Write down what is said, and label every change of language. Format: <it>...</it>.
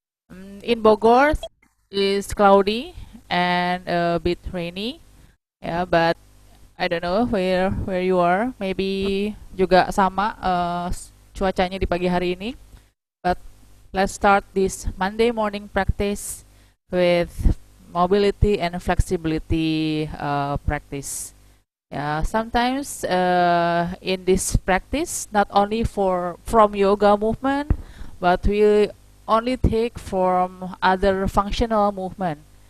<en>In Bogor, it's cloudy and a bit rainy. Yeah, but I don't know where you are.</en> <id>Maybe juga sama cuacanya di pagi hari ini.</id> <en>But let's start this Monday morning practice with mobility and flexibility practice. Yeah, sometimes in this practice, not only from yoga movement, but we only take from other functional movement.</en>